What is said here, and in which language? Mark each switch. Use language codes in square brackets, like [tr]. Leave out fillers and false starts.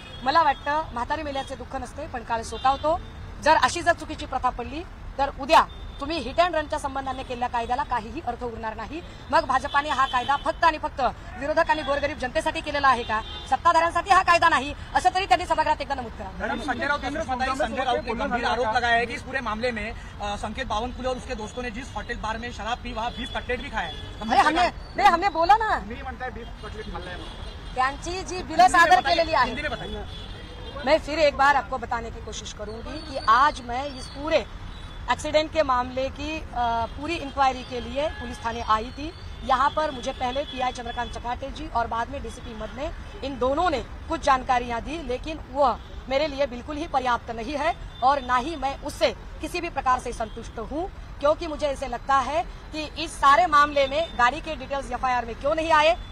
[mr] मला वाटतं म्हातारी मेल्याचे दुःख नसते पण काळ सोतावतो. जर अशी जर चुकीची प्रथा पडली तर उद्या तुम्ही हिट अँड रनच्या संबंधाने केलेल्या कायद्याला काहीही अर्थ उरणार नाही. मग भाजपाने हा कायदा फक्त आणि फक्त विरोधकांनी गोरगरीब जनतेसाठी केलेला आहे का? सत्ताधाऱ्यांसाठी हा कायदा नाही असं तरी त्यांनी सभागृहात एकदा नमूद करा. [hi] आरोप लगाया है कि इस पूरे मामले में संकेत बावनकुले और उसके दोस्तों ने जिस हॉटेल बार में शराब पी वहां बीफ कटलेट भी खाया. हमने बोला ना, [mr] त्यांची जी बिल सादर केलेली आहे. [hi] मैं फिर एक बार आपको बताने की कोशिश करूंगी की आज मैं इस पूरे एक्सीडेंट के मामले की पूरी इंक्वायरी के लिए पुलिस थाने आई थी. यहां पर मुझे पहले पीआई चंद्रकांत चकाटे जी और बाद में डीसीपी मद ने इन दोनों ने कुछ जानकारियां दी, लेकिन वह मेरे लिए बिल्कुल ही पर्याप्त नहीं है और ना ही मैं उससे किसी भी प्रकार से संतुष्ट हूं, क्योंकि मुझे ऐसे लगता है कि इस सारे मामले में गाड़ी के डिटेल्स एफआईआर में क्यों नहीं आए.